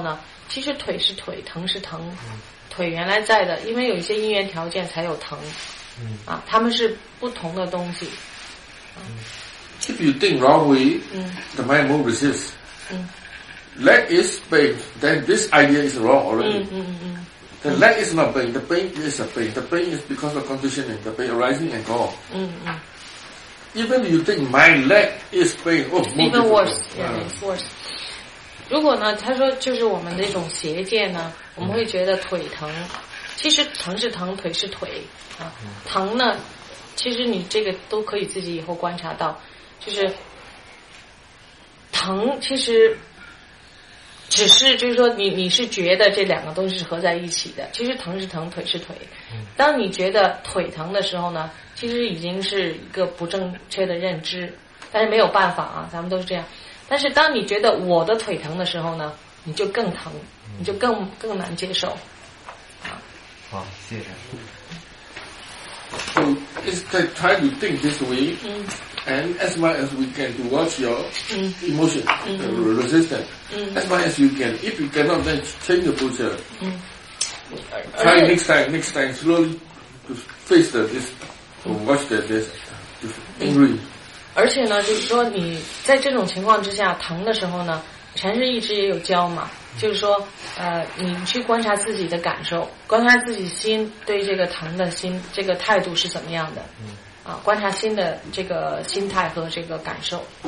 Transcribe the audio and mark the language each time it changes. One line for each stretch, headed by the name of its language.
Chinese: 陈师说呢，这个其实呢，腿呢，就最少呢，你最少呢要就是还没有很疼的时候呢，最少你要理解啊，或者认知到呢，其实腿是腿，疼是疼。腿原来在的，因为有一些因缘条件才有疼，啊，他们是不同的东西。
English: If you think wrong way, the mind will resist. Leg is pain, then this idea is wrong already. The leg is not pain, the pain is a pain. The pain is because of conditioning, the pain arising and gone. Even you think my leg is pain, even worse. Yeah, it's worse.
Chinese: 如果呢，他说就是我们的一种邪见呢，我们会觉得腿疼。其实疼是疼，腿是腿啊。疼呢，其实你这个都可以自己以后观察到，就是疼其实只是就是说你是觉得这两个东西是合在一起的，其实疼是疼，腿是腿。当你觉得腿疼的时候呢，其实已经是一个不正确的认知，但是没有办法啊，咱们都是这样。但是当你觉得我的腿疼的时候呢，你就更疼，你就更难接受。好，谢谢。
English: So it's try to think this way, and as much as we can to watch your emotion, resistance, as much as you can. If you cannot, then change the posture. Try next time slowly to face this, to watch this, to angry.
Chinese: 而且呢，就是说你在这种情况之下疼的时候呢，禅师一直也有教嘛。就是说你去观察自己的感受，观察自己心对这个疼的心这个态度是怎么样的啊，观察心的这个心态和这个感受。